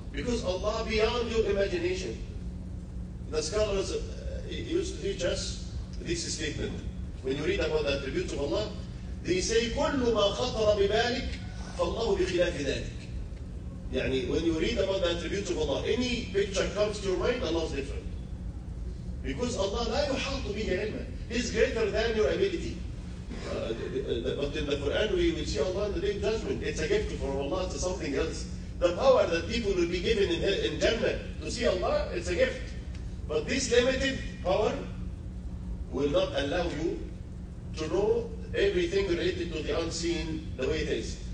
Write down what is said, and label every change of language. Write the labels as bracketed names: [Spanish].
[English] Because Allah beyond your imagination. The scholars used to teach us this statement. When you read about the attributes of Allah, they say, [Arabic] كُلُّ مَا خَطَرَ بِبَالِكَ فَاللَّهُ بِخِلَافِ ذَلِكَ. [English] يعني, when you read about the attributes of Allah, any picture comes to your mind, Allah is different. Because Allah [Arabic] لا يحاط به علما. [English] He's greater than your ability. But in the Quran, we will see Allah in the day of judgment. It's a gift from Allah to something else. The power that people will be given in Jannah to see Allah, it's a gift. But this limited power will not allow you to know everything related to the unseen the way it is.